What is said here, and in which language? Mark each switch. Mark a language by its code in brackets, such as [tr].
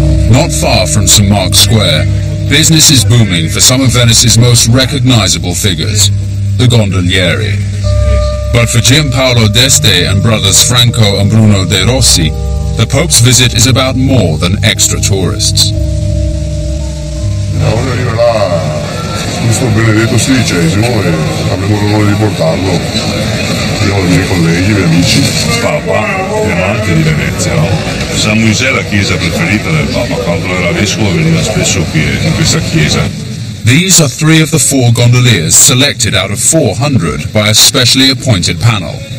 [en] Not far from St. Mark's Square, business is booming for some of Venice's most recognizable figures, the gondolieri. But for Gian Paolo d'Este and brothers Franco and Bruno De Rossi, the Pope's visit is about more than extra tourists. [it] Voglio arrivare là questo benedetto XVI e avremo l'onore di portarlo. Io ho i miei colleghi, i miei amici. Papa è amante di Venezia, no? San Luisè è la chiesa preferita del Papa. Quando era vescovo veniva spesso qui in questa chiesa. [en] These are three of the four gondoliers selected out of 400 by a specially appointed panel.